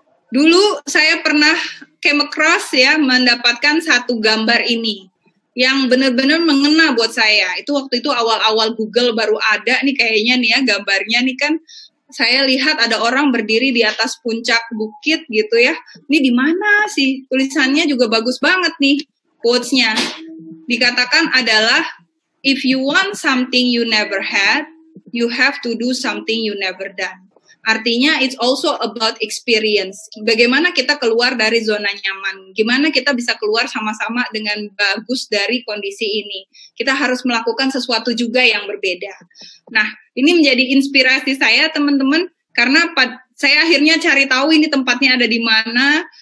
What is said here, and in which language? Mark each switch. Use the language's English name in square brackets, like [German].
[Indonesian] Dulu saya pernah [English] came across [Indonesian] ya, mendapatkan satu gambar ini yang benar-benar mengena buat saya. Itu waktu itu awal-awal Google baru ada nih kayaknya nih ya gambarnya nih kan. Saya lihat ada orang berdiri di atas puncak bukit gitu ya. Ini di mana sih? Tulisannya juga bagus banget nih quotes-nya. Dikatakan adalah, [English] if you want something you never had, you have to do something you never done. [Indonesian] Artinya, [English] it's also about experience. [Indonesian] Bagaimana kita keluar dari zona nyaman? Gimana kita bisa keluar sama-sama dengan bagus dari kondisi ini? Kita harus melakukan sesuatu juga yang berbeda. Nah, ini menjadi inspirasi saya, teman-teman. Karena saya akhirnya cari tahu ini tempatnya ada di mana.